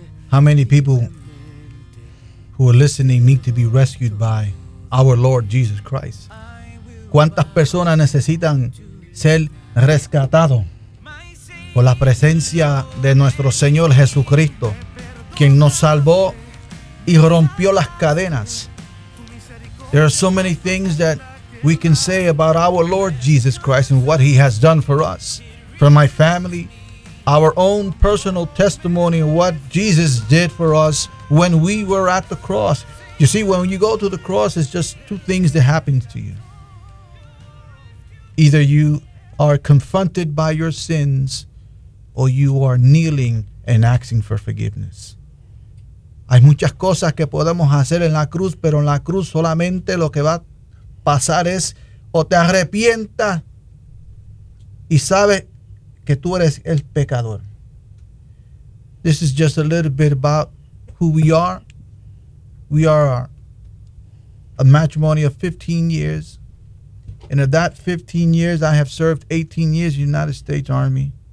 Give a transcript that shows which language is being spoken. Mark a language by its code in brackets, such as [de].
[en] How many people who are listening need to be rescued by our Lord Jesus Christ? [es] ¿Cuántas personas necesitan ser rescatado por la presencia de nuestro Señor Jesucristo, quien nos salvó y rompió las cadenas? [en] There are so many things that we can say about our Lord Jesus Christ and what he has done for us. For my family, our own personal testimony of what Jesus did for us when we were at the cross. You see, when you go to the cross, it's just two things that happen to you. Either you are confronted by your sins, or you are kneeling and asking for forgiveness. [es] Hay muchas cosas que podemos hacer en la cruz, pero en la cruz solamente lo que va a pasar es o te arrepientas y sabes que tú eres el pecador. [en] This is just a little bit about who we are. We are a matrimony of 15 years. And of that 15 years, I have served 18 years in the United States Army.